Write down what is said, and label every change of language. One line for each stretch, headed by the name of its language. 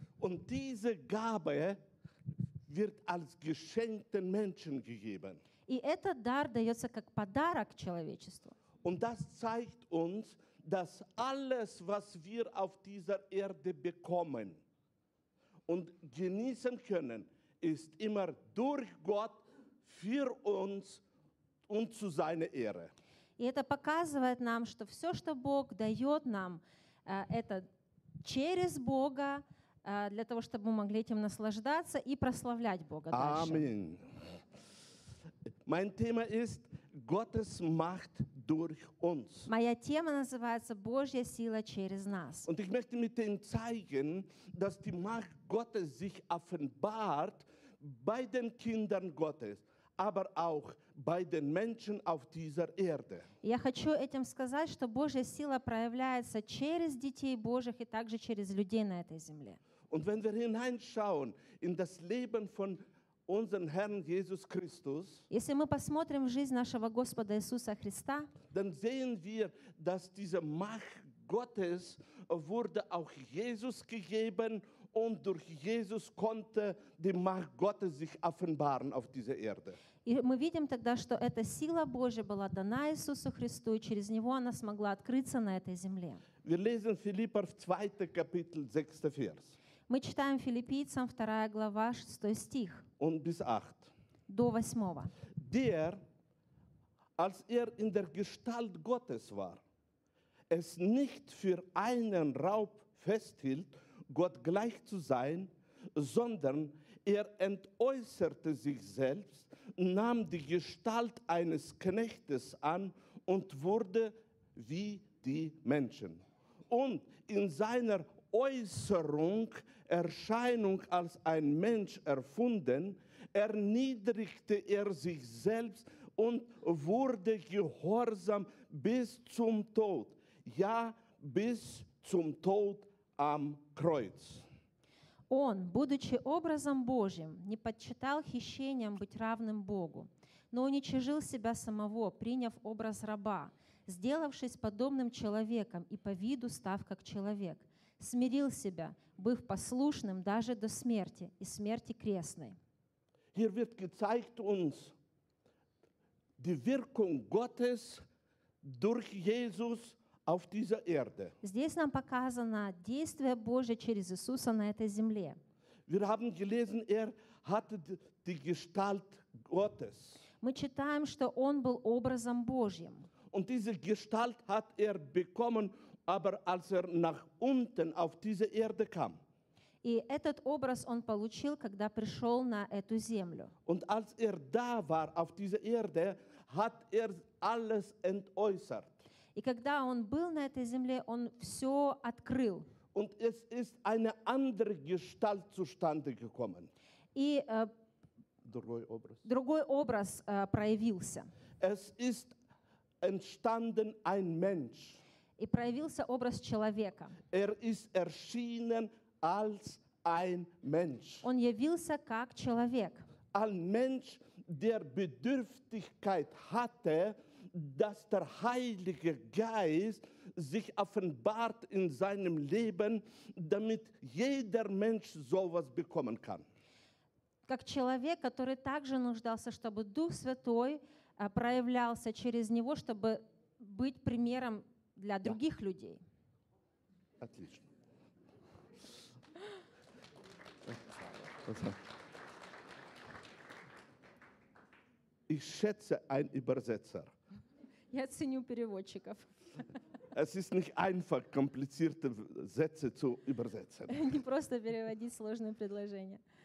German: Und diese Gabe wird als geschenkten Menschen gegeben.
Russian: И этот дар дается как подарок человечеству.
German: Und das zeigt uns, dass alles, was wir auf dieser Erde bekommen und genießen können, ist immer durch Gott für uns und zu seiner Ehre.
Russian: И это показывает нам, что все, что Бог дает нам, это через Бога, для того, чтобы мы могли этим наслаждаться и прославлять Бога дальше. Аминь.
German: Mein Thema ist Gottes Macht durch uns.
Russian: Моя тема называется «Божья сила через нас».
German: Und ich möchte mit dem zeigen, dass die Macht Gottes sich offenbart bei den Kindern Gottes. Aber auch bei den Menschen auf dieser Erde.
Russian: Я хочу этим сказать, что Божья сила проявляется через детей Божьих и также через людей на этой земле.
German: Und wenn wir hineinschauen in das Leben von unserem Herrn Jesus Christus,
Russian: если мы посмотрим в жизнь нашего Господа Иисуса Христа,
German: dann sehen wir, dass diese Macht Gottes wurde auch Jesus gegeben. Und durch Jesus konnte die Macht Gottes sich offenbaren auf dieser Erde.
Russian: И мы видим тогда, что эта сила Божья была дана Иисусу Христу, и через него она смогла открыться на этой земле.
German: Wir lesen Philipper 2. Kapitel 6. Vers.
Russian: Мы читаем Филиппийцам 2. Глава 6. Стих.
German: Und bis 8.
Russian: До 8.
German: Der, als in der Gestalt Gottes war, es nicht für einen Raub festhielt, Gott gleich zu sein, sondern entäußerte sich selbst, nahm die Gestalt eines Knechtes an und wurde wie die Menschen. Und in seiner Äußerung, Erscheinung als ein Mensch erfunden, erniedrigte sich selbst und wurde gehorsam bis zum Tod, ja, bis zum Tod am Kreuz.
Russian: Он, будучи образом Божьим, не почитал хищением быть равным Богу, но уничижил себя самого, приняв образ раба, сделавшись подобным человеком и по виду став как человек, смирил себя, быв послушным даже до смерти и смерти крестной.
German: Hier wird gezeigt uns die Wirkung Gottes durch Jesus auf dieser Erde.
Russian: Здесь нам показано действие Божье через Иисуса на этой земле.
German: Wir haben gelesen, hatte die Gestalt Gottes.
Russian: Мы читаем, что он был образом Божьим.
German: Und diese Gestalt hat bekommen, aber als nach unten auf diese Erde kam.
Russian: И этот образ он получил, когда пришел на эту землю.
German: Und als da war auf dieser Erde, hat alles entäußert.
Russian: И когда он был на этой земле, он все открыл.
German: Und es ist eine andere Gestalt zustande gekommen.
Russian: И другой образ проявился.
German: Es ist entstanden ein Mensch.
Russian: И проявился образ человека.
German: Er ist erschienen als ein Mensch.
Russian: Он явился как человек.
German: Ein Mensch, der Bedürftigkeit hatte, dass der Heilige Geist sich offenbart in seinem Leben, damit jeder Mensch sowas bekommen kann.
Russian: Как человек, который также нуждался, чтобы Дух Святой проявлялся через него, чтобы быть примером для других людей. Отлично.
German: Ich schätze einen Übersetzer.
Russian: Я ценю переводчиков.
German: Es ist nicht einfach, komplizierte Sätze zu übersetzen.
Russian: Не просто переводить сложные предложения.